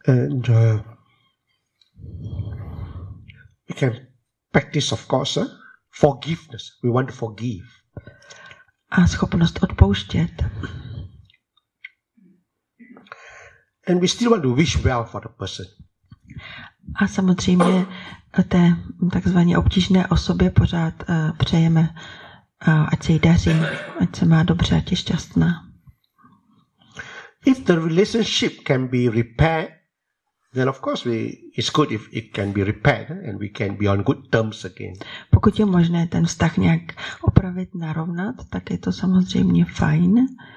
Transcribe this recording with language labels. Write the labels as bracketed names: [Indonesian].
[English] And we can practice, of course, forgiveness. We want to forgive. [Czech] A schopnost odpouštět. [English] And we still want to wish well for the person. [Czech] A samozřejmě té takzvané obtížné osobě pořád přejeme, ať se jí daří, ať se má dobře, ať je šťastná. [English] If the relationship can be repaired, then of course it's good if it can be repaired and we can be on good terms again. [Czech] Pokud je možné ten vztah nějak opravit, narovnat, tak je to samozřejmě fajn.